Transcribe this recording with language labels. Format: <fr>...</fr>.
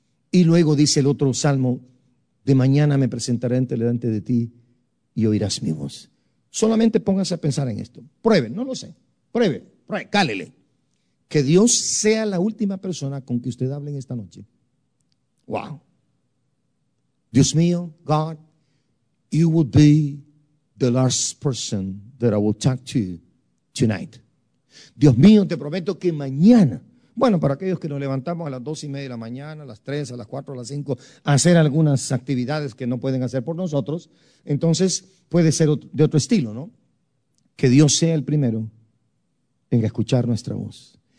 <es>Y luego dice el otro Salmo: de mañana me presentaré delante de ti y oirás mi voz. Solamente póngase a pensar en esto. Pruebe, no lo sé. Pruebe, cálele. Que Dios sea la última persona con que usted hable en esta noche.</es> <en>Wow.</en> <es>Dios mío,</es> <en>God, you would be the last person that I will talk to tonight.</en> <es>Dios mío, te prometo que mañana, bueno, para aquellos que nos levantamos a las 2:30 de la mañana, a las 3, a las 4, a las 5, a hacer algunas actividades que no pueden hacer por nosotros, entonces puede ser de otro estilo, ¿no? Que Dios sea el primero en escuchar nuestra voz.</es>